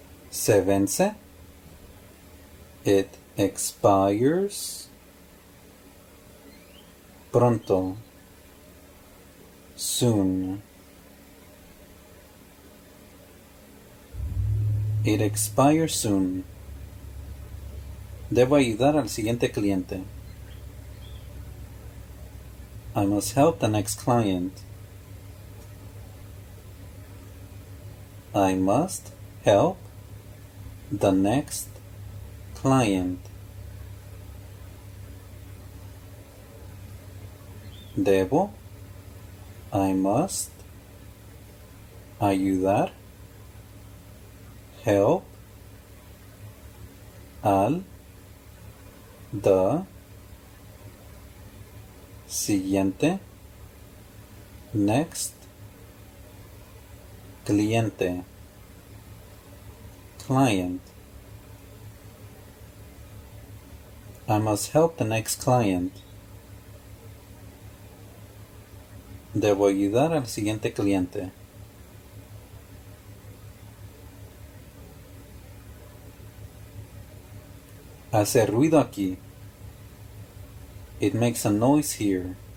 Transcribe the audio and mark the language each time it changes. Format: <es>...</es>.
<es>Se vence.</es> <en>It expires</en> <es>pronto.</es> <en>Soon. It expires soon.</en> <es>Debo ayudar al siguiente cliente.</es> <en>I must help the next client. I must help the next client.</en> <es>Debo.</es> <en>I must</en> <es>ayudar.</es> <en>Help</en> <es>al</es> <en>the</en> <es>siguiente</es> <en>next</en> <es>cliente</es> <en>client. I must help the next client.</en> <es>Debo ayudar al siguiente cliente. Hace ruido aquí.</es> <en>It makes a noise here.</en>